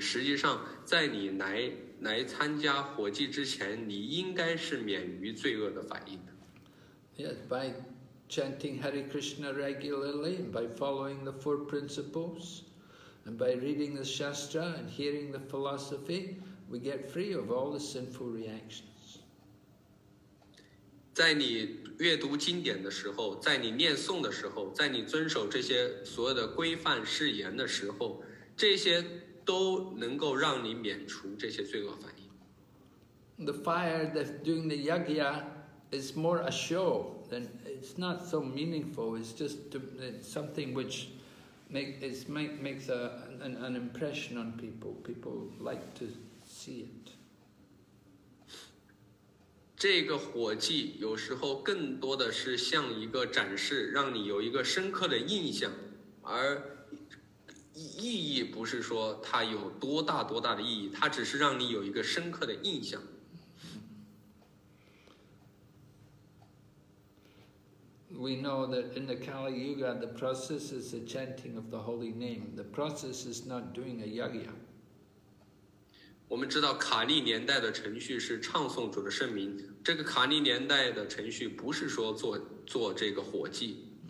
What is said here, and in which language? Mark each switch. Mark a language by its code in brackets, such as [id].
[zh] 实际上，在你来参加火祭之前，你应该是免于罪恶的反应的。 [en] Yes, by chanting Hare Krishna regularly, and by following the four principles, and by reading the shastra and hearing the philosophy, we get free of all the sinful reactions. [zh] 在你阅读经典的时候，在你念诵的时候，在你遵守这些所有的规范誓言的时候，这些都能够让你免除这些罪恶反应。 [en] The fire that's doing the yagya is more a show than it's not so meaningful. It's just to, it's something which makes an impression on people. People like to see it. [zh] 这个火祭有时候更多的是像一个展示，让你有一个深刻的印象，而意义不是说它有多大多大的意义，它只是让你有一个深刻的印象。 [en] We know that in the Kali Yuga, the process is the chanting of the holy name. The process is not doing a yagya. [zh] 我们知道卡利年代的程序是唱诵主的圣名，这个卡利年代的程序不是说做这个火祭。